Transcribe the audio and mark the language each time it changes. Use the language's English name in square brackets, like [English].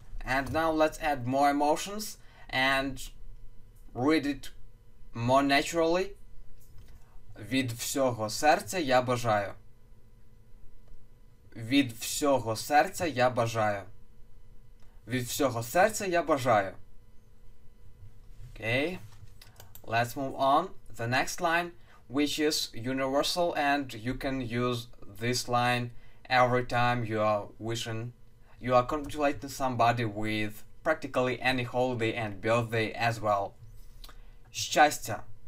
[English] And now let's add more emotions and read it more naturally. [Ukrainian] Від всього серця я бажаю. Від всього серця я бажаю. Від всього серця я бажаю. [English] Okay, let's move on. The next line, which is universal, and you can use this line every time you are wishing, you are congratulating somebody with practically any holiday and birthday as well. Щастя,